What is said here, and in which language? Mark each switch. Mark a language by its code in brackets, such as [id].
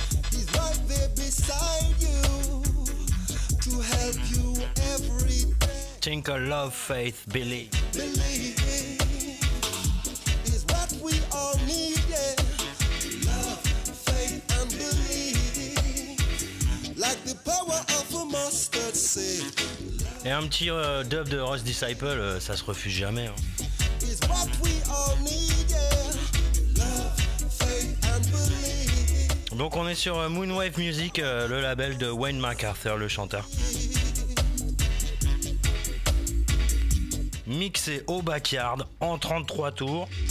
[en] He's right there beside you to help you every day. Think of love, faith, believe. Believe is what we all need. Yeah. Love, faith, and believe. Like the power of a mustard seed. [fr] Et un petit dub de Ross Disciple, ça se refuse jamais. Hein. [en] It's what we all need, yeah. Love, faith and believe. [fr] Donc on est sur Moonwave Music, le label de Wayne MacArthur, le chanteur. Mixé au backyard en 33 tours.